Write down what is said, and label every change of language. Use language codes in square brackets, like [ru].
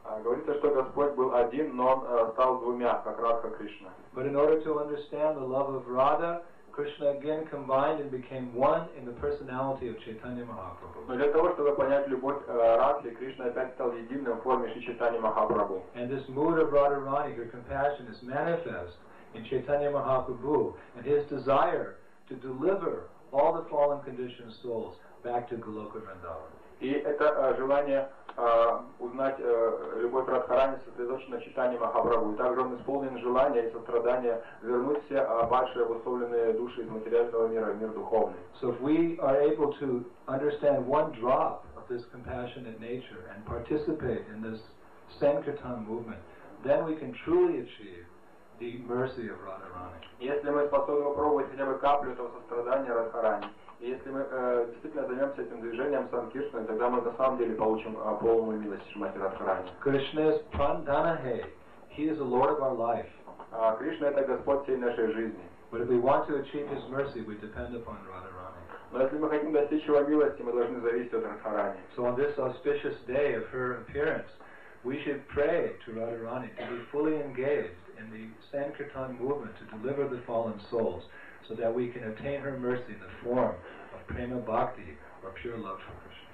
[ru] Говорится, что Господь был один, но он стал двумя, как Радха Кришна. [en] But in order to understand the love of Radha, Krishna again combined and became one in the personality of Chaitanya Mahaprabhu. [ru] Но для того, чтобы понять любовь Радхи, Кришна опять стал единым в форме Шри Чайтаньи Махапрабху. [en] And this mood of Radharani, her compassion, is manifest in Chaitanya Mahaprabhu and his desire to deliver all the fallen conditioned souls back to Goloka Vrindavan. [ru] И это желание узнать любовь Радхарани сосредоточена в читании Махапрабху. И также он исполнен желания и сострадания вернуть все падшие обусловленные души из материального мира в мир духовный. [en] So if we are able to understand one drop of this compassionate nature and participate in this Sankirtan movement, then we can truly achieve the mercy of Radharani. [ru] Если мы способны попробовать хотя бы каплю этого сострадания Радхарани, и если мы действительно займемся этим движением Санкиршной, тогда мы на самом деле получим полную милость Шримати Радхарани. [en] Krishna is Pradhanahe. He is the Lord of our life. [ru] Кришна — это Господь всей нашей жизни. [en] But if we want to achieve His mercy, we depend upon Radharani. [ru] Но если мы хотим достичь Его милости, мы должны зависеть от Радхарани. [en] So on this auspicious day of her appearance, we should pray to Radharani to be fully engaged in the Sankirtan movement to deliver the fallen souls, so that we can obtain her mercy in the form of prema bhakti or pure love for Krishna.